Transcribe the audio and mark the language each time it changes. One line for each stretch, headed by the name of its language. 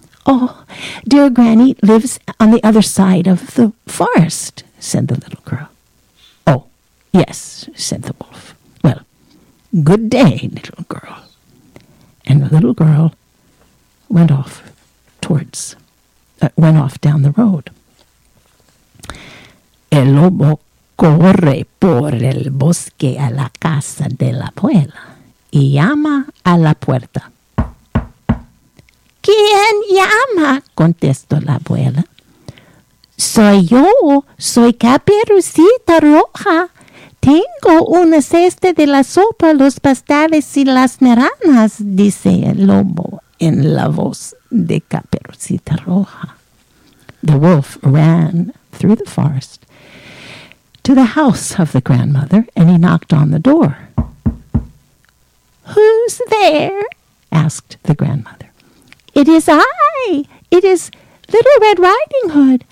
English: Oh, dear granny lives on the other side of the forest, said the little girl. Oh, yes, said the wolf. Well, good day, little girl. And the little girl went off down the road.
Spanish: El lobo corre por el bosque a la casa de la abuela y llama a la puerta. ¿Quién llama? Contestó la abuela. Soy yo, soy Caperucita Roja. Tengo una cesta de la sopa, los pastales y las naranjas, dice el lobo en la voz de Caperucita Roja.
English: The wolf ran through the forest to the house of the grandmother and he knocked on the door. Who's there? Asked the grandmother. It is I. It is Little Red Riding Hood.